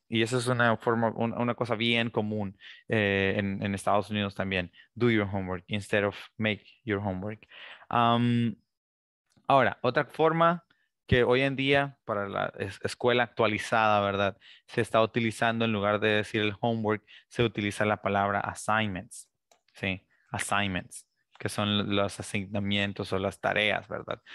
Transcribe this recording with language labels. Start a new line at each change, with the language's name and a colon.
Spanish: Y eso es una forma, una cosa bien común en Estados Unidos también.
English: Do your homework instead of make your homework.
Spanish: Ahora, otra forma que hoy en día para la escuela actualizada, ¿verdad? Se está utilizando, en lugar de decir el homework, se utiliza la palabra assignments. Sí, assignments, que son los asignamientos o las tareas, ¿verdad?